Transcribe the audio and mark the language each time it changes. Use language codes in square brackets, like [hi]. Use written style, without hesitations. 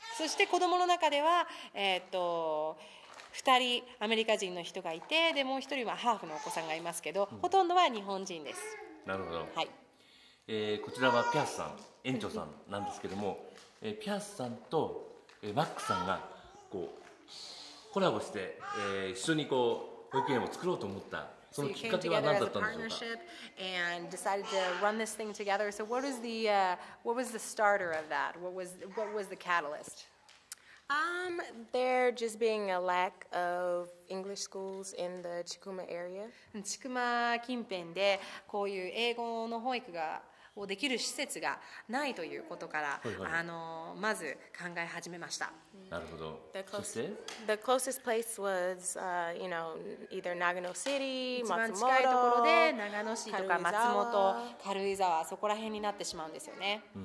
[ja] そして子どもの中では、2人アメリカ人の人がいて、でもう1人はハーフのお子さんがいますけど、うん、ほとんどは日本人です。なるほど。はい、こちらはピアスさん、園長さんなんですけどもピアスさんとマックさんがこうコラボして、一緒にこう保育園を作ろうと思ったそのきっかけは何だったんでしょうか。 [en] So you came together as a partnership and decided to run this thing together. So what was the starter of that? What was the catalyst? There just being a lack of English schools in the Chikuma area. [ja] Chikuma 近辺でこういう英語の保育がをできる施設がないということから、はいはい、まず考え始めました。なるほど。そして [en] The closest place was, you know, either Nagano City, Matsumoto. [ja] 一番近いところで長野市とか松本、軽井沢そこら辺になってしまうんですよね。